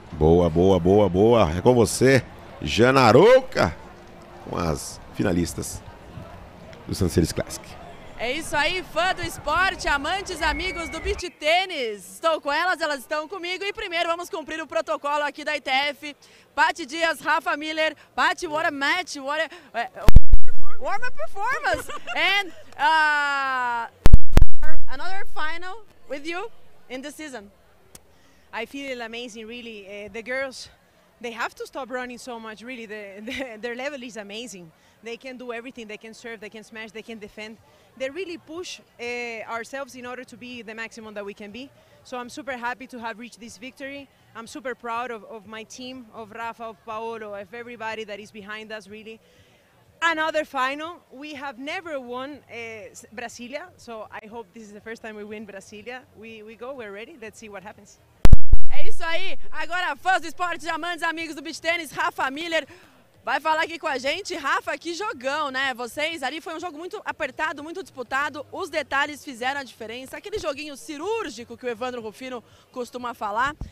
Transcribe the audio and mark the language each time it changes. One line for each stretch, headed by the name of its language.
Portuguese: Boa, boa, boa, boa. É com você, Jana Aruca, com as finalistas do San Siris Classic. É isso aí, fã do esporte, amantes, amigos do Beach Tênis. Estou com elas estão comigo. E primeiro vamos cumprir o protocolo aqui da ITF.
English: Paty Dias, Rafa Miller. Paty, what a match, what a... Warm up performance and another final with you in the season. I feel amazing, really. The girls, they have to stop running so much, really. Their level is amazing. They can do everything. They can serve, they can smash, they can defend. They really push ourselves in order to be the maximum that we can be. So I'm super happy to have reached this victory. I'm super proud of my team, of Rafa, of Paolo, of everybody that is behind us, really. Another final. We have never won Brasilia, so I hope this is the first time we win Brasilia. We go, we're ready, let's see what happens.
Portuguese: É isso aí, agora fãs do esporte, amantes, amigos do beach tennis, Rafa Miller vai falar aqui com a gente. Rafa, que jogão, né? Vocês ali, foi um jogo muito apertado, muito disputado, os detalhes fizeram a diferença, aquele joguinho cirúrgico que o Evandro Rufino costuma falar.